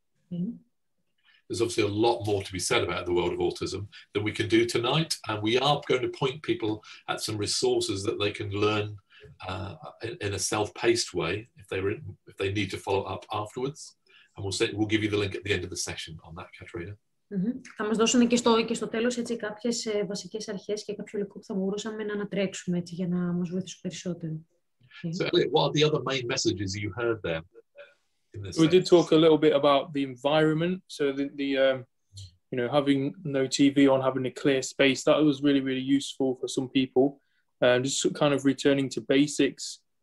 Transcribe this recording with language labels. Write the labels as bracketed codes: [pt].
[en] There's obviously a lot more to be said about the world of autism than we can do tonight. And we are going to point people at some resources that they can learn in a self-paced way if they need to follow up afterwards. And we'll give you the link at the end of the session on that, Katerina. [el] Θα μας δώσουν και στο τέλος κάποιες βασικές αρχές και κάποιο υλικό που θα μπορούσαμε να ανατρέξουμε για να μας βοηθήσουν περισσότερο. [en] So Elliot, what are the other main messages you heard there? We did talk a little bit about the environment, so the having no TV on, having a clear space, that was really, really useful for some people, just kind of returning to basics.